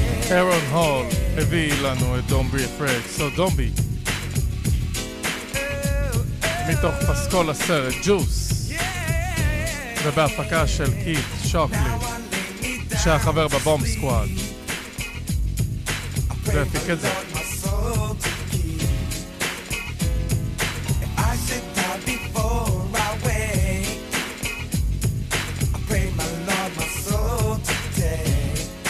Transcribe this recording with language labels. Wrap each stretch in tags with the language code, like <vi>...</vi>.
<en>Aaron Hall</en> <he>הביא לנו את</he> <en>Don't Be Afraid, so don't be.</en> <he>מתוך פסקול הסרט Juice ובהפקה של Keith Shockley שהחבר בבום סקואד.</he> <en>I pray for God my soul to keep. I should die before I wake. I pray my Lord my soul to take.</en>